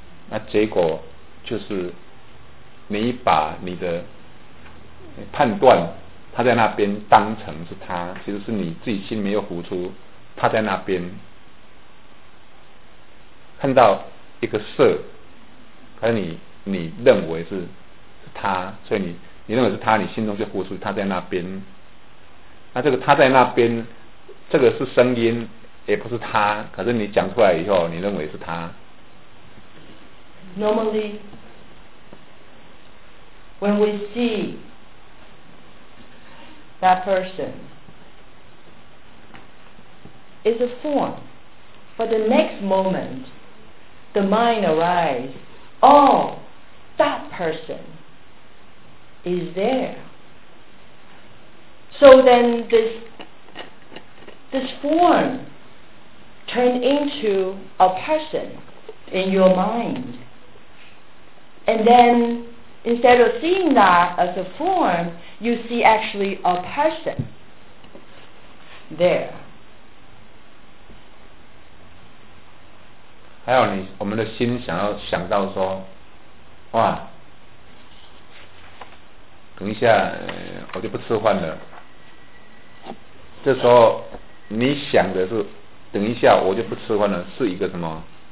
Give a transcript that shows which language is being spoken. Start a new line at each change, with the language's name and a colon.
Chinese: 那结果就是你把你的判断他在那边当成是他，其实是你自己心没有浮出他在那边，看到一个色，可是你认为是他，所以你认为是他，你心中就浮出他在那边。那这个他在那边，这个是声音，也不是他，可是你讲出来以后，你认为是他。
English: Normally, when we see that person, it's a form. But the next moment, the mind arises, oh, that person is there. So then this form turned into a person in your mind. And then, instead of seeing that as a form, you see actually a person there.
Chinese: 还有你，我们的心想要想到说，哇，等一下，我就不吃饭了。这时候你想的是，等一下我就不吃饭了，是一个什么？